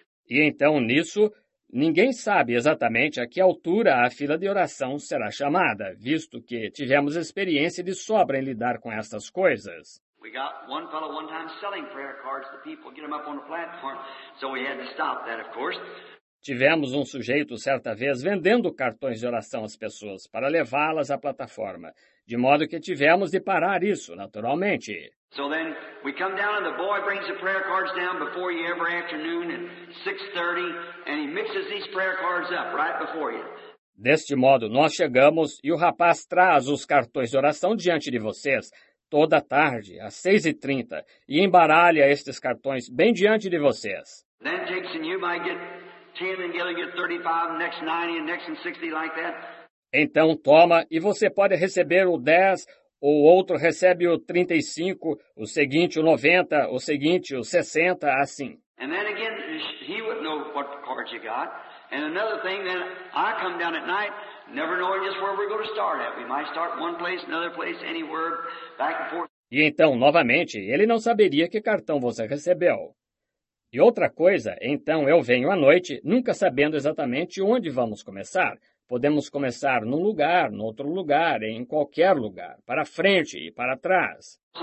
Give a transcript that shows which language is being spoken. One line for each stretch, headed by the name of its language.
Portuguese: E então, nisso, ninguém sabe exatamente a que altura a fila de oração será chamada, visto que tivemos experiência de sobra em lidar com estas coisas.
English: We got one fellow one time selling prayer cards to people, get them up on the platform, so we had to stop that, of course.
Portuguese: Tivemos um sujeito certa vez vendendo cartões de oração às pessoas para levá-las à plataforma, de modo que tivemos de parar isso, naturalmente.
English: So then we come down and the boy brings the prayer cards down before you every afternoon at 6:30 and he mixes these prayer cards up right before you.
Portuguese: Deste modo, nós chegamos e o rapaz traz os cartões de oração diante de vocês toda tarde, às 6:30, e embaralha estes cartões bem diante de vocês.
English: Then Jason, you might get 10 and you'll get 35, next 90 and next 60 like that.
Portuguese: Então toma e você pode receber o 10, o outro recebe o 35, o seguinte o 90, o seguinte o 60, assim.
English: And then again, he wouldn't know what cards you got. And another thing, then I come down at night, never knowing just where we're going to start at. We might start one place, another place, anywhere, back and forth.
Portuguese: E então, novamente, ele não saberia que cartão você recebeu. E outra coisa, então eu venho à noite, nunca sabendo exatamente onde vamos começar. Podemos começar num lugar, no outro lugar, em qualquer lugar, para frente e para trás.